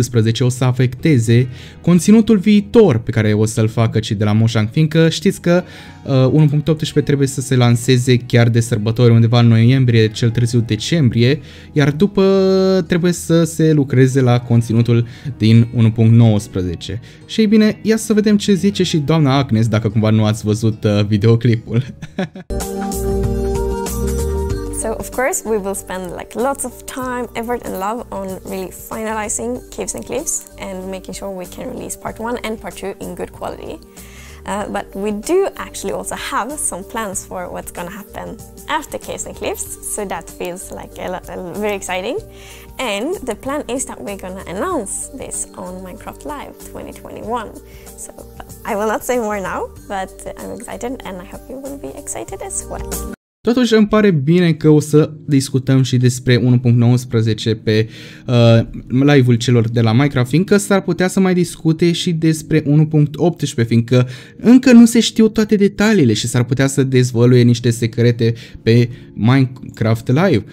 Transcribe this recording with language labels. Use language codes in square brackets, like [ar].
[ro] 1.18 o să afecteze conținutul viitor pe care o să-l facă cei de la Mojang, fiindcă știți că 1.18 trebuie să se lanseze chiar de sărbători undeva în noiembrie, cel târziu decembrie, iar după trebuie să se lucreze la conținutul din 1.19. Și ei bine, ia să vedem ce zice și doamna Agnes, dacă cumva nu ați văzut videoclipul. [en] So of course we will spend like lots of time, effort and love on really finalizing Caves and Cliffs and making sure we can release part 1 and part 2 in good quality. But we do actually also have some plans for what's going to happen after Caves and Cliffs, so that feels like very exciting. And the plan is that we're going to announce this on Minecraft Live 2021. So I will not say more now, but I'm excited and I hope you will be excited as well. [ro] Totuși îmi pare bine că o să discutăm și despre 1.19 pe live-ul celor de la Minecraft, fiindcă s-ar putea să mai discute și despre 1.18, fiindcă încă nu se știu toate detaliile și s-ar putea să dezvăluie niște secrete pe Minecraft Live.